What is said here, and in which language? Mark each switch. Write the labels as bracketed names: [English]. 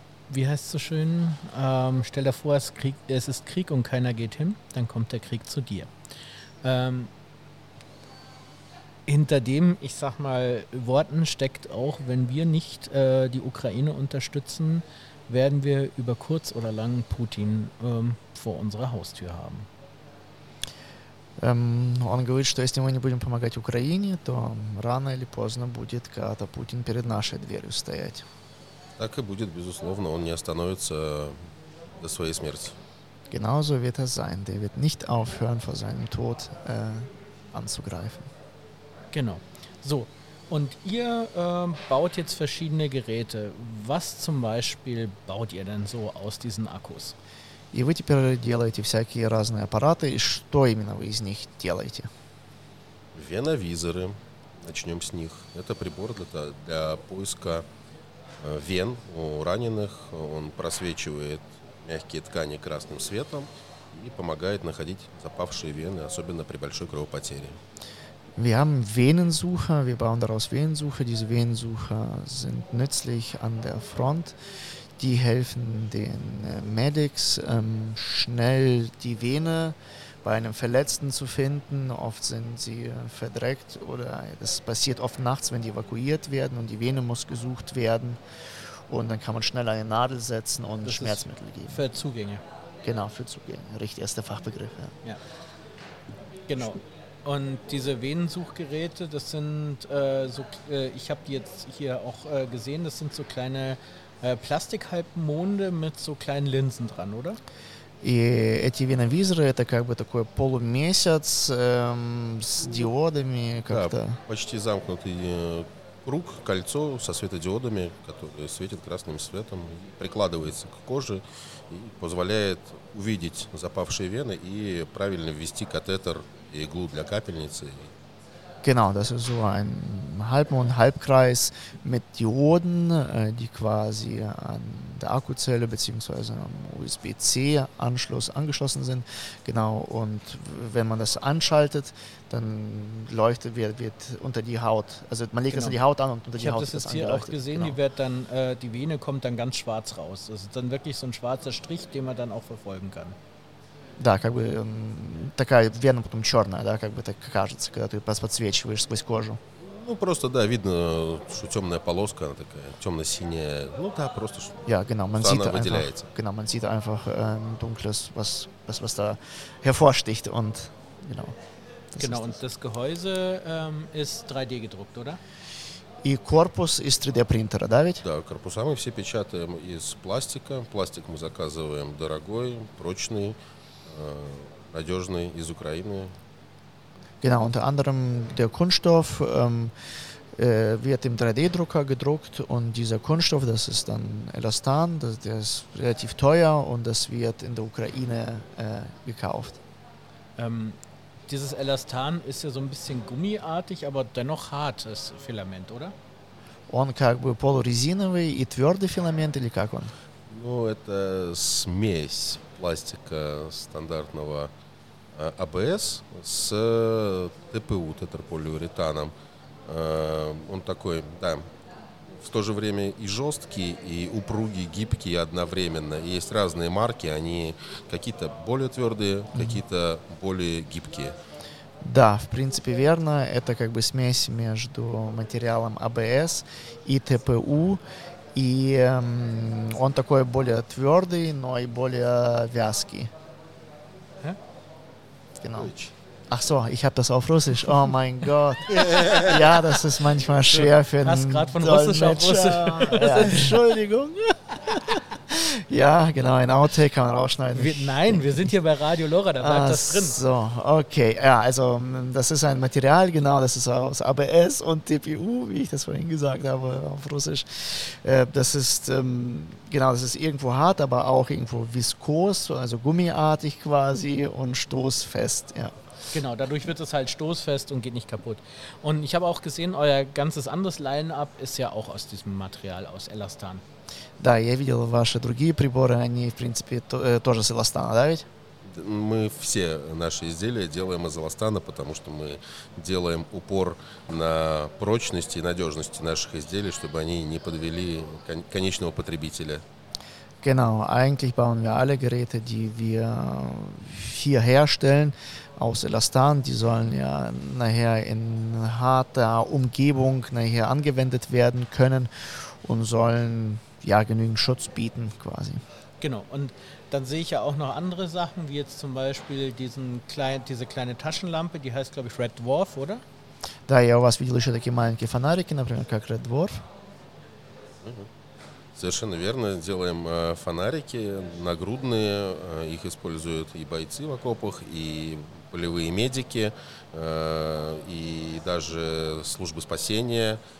[German] Wie heißt es so schön? Stell dir vor, es ist Krieg und keiner geht hin, dann kommt der Krieg zu dir. Hinter dem, ich sag mal, Worten steckt auch, wenn wir nicht die Ukraine unterstützen, werden wir über kurz oder lang Putin vor unserer Haustür haben. [Russian] Он говорит, что если мы не будем помогать Украине, то рано или поздно будет когда-то Путин перед нашей дверью стоять. Так и будет, безусловно, он не остановится до своей смерти. [German] Genauso wird es sein, der wird nicht aufhören vor seinem Tod anzugreifen. Genau. So, und ihr baut jetzt verschiedene Geräte. Was zum Beispiel baut ihr denn so aus diesen Akkus? [Russian] И вы теперь делаете всякие разные аппараты. И что именно вы из них делаете? Веновизоры. Начнем с них. Это прибор для поиска вен у раненых. Он просвечивает мягкие ткани красным светом и помогает находить запавшие вены, особенно при большой кровопотере. [German] Wir haben Venensucher, wir bauen daraus Venensucher. Diese Venensucher sind nützlich an der Front. Die helfen den Medics, schnell die Vene bei einem Verletzten zu finden. Oft sind sie verdreckt oder das passiert oft nachts, wenn die evakuiert werden und die Vene muss gesucht werden. Und dann kann man schnell eine Nadel setzen und das Schmerzmittel geben. Für Zugänge. Genau, für Zugänge. Richtig, erster Fachbegriff. Ja. Ja. Genau. Und diese Venensuchgeräte, das sind ich habe die jetzt hier auch gesehen, das sind so kleine Plastikhalbmonde mit so kleinen Linsen dran, oder? [Russian] И эти веновизоры это как бы такой полумесяц с диодами как-то. Да, почти замкнутый круг, кольцо со светодиодами, которое светит красным светом, прикладывается к коже и позволяет увидеть запавшие вены и правильно ввести катетер и иглу для капельницы. [German] Genau, das ist so ein Halbmond, Halbkreis mit Dioden, die quasi an der Akkuzelle bzw. am USB-C-Anschluss angeschlossen sind. Genau, und wenn man das anschaltet, dann leuchtet, wird unter die Haut, also man legt genau. Das an die Haut an und unter ich die Haut wird das angeleuchtet. Ich habe das jetzt hier auch gesehen, genau. Die Vene kommt dann ganz schwarz raus. Das ist dann wirklich so ein schwarzer Strich, den man dann auch verfolgen kann. [Russian] Да, как бы такая вена потом черная, да, как бы так кажется, когда ты подсвечиваешь сквозь кожу. Ну просто да, видно, что темная полоска, она такая темно-синяя. Ну да, просто что. [German] Ja, genau, man sieht einfach, genau, man sieht einfach dunkles, was da hervorsticht und genau. Genau, und das Gehäuse ist 3D gedruckt, oder? [Russian] И корпус из 3D-принтера, да, ведь? Да, корпуса мы все печатаем из пластика. Пластик мы заказываем дорогой, прочный. Надежный из Украины. [German] Genau, unter anderem der Kunststoff wird im 3D-Drucker gedruckt und dieser Kunststoff, das ist dann Elastan, der ist relativ teuer und das wird in der Ukraine gekauft. Dieses Elastan ist ja so ein bisschen gummiartig, aber dennoch hartes Filament, oder? [Russian] Он как бы полурезиновый и твердый филамент, или как он? Ну, это смесь. Пластика стандартного АБС с ТПУ, тетраполиуретаном. Он такой, да, в то же время и жесткий, и упругий, гибкий одновременно. И есть разные марки, они какие-то более твердые, какие-то более гибкие. Да, в принципе верно. Это как бы смесь между материалом АБС и ТПУ. И он такой более твердый, но и более вязкий. [German] Genau. Ach so, ich habe das auf Russisch. Oh mein Gott. Ja, das ist manchmal schwer für einen Dolmetscher. Hast gerade von Russisch auf Russisch. Entschuldigung. Ja, genau, ein Outtake kann man rausschneiden. Nein, wir sind hier bei Radio LoRa, da bleibt das drin. So, okay. Ja, also das ist ein Material, genau, das ist aus ABS und TPU, wie ich das vorhin gesagt habe auf Russisch. Das ist, genau, das ist irgendwo hart, aber auch irgendwo viskos, also gummiartig quasi und stoßfest, ja. Genau, dadurch wird es halt stoßfest und geht nicht kaputt. Und ich habe auch gesehen, euer ganzes anderes Line-Up ist ja auch aus diesem Material, aus Elastan. [Russian] Да, я видел ваши другие приборы, они, в принципе, тоже с эластана, да ведь? Мы все наши изделия делаем из эластана, потому что мы делаем упор на прочность и надежность наших изделий, чтобы они не подвели конечного потребителя. [German] Genau, eigentlich bauen wir alle Geräte, die wir hier herstellen, aus Elastan. Die sollen ja nachher in harter Umgebung nachher angewendet werden können und sollen ja genügend Schutz bieten quasi. Genau, und dann sehe ich ja auch noch andere Sachen, wie jetzt zum Beispiel diese kleine Taschenlampe, die heißt, glaube ich, Red Dwarf, oder? [Russian] Da я у вас видел еще такие маленькие фонарики, например, как Red Dwarf. Совершенно верно. Делаем фонарики нагрудные. Их используют и бойцы в окопах, и полевые медики, и даже службы спасения.